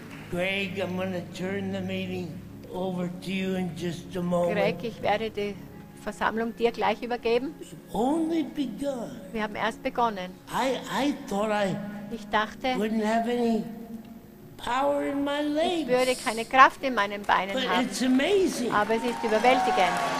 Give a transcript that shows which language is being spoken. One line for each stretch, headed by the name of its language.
English: Greg, I'm going to turn the meeting over to you in just a moment.
German: Greg, ich werde die Versammlung dir gleich übergeben.
English: Only begun.
German: Wir haben erst begonnen.
English: I thought I
German: ich dachte,
English: wouldn't have any power in my legs.
German: Ich würde keine Kraft in meinen Beinen
English: but
German: haben.
English: It's amazing.
German: Aber es ist überwältigend.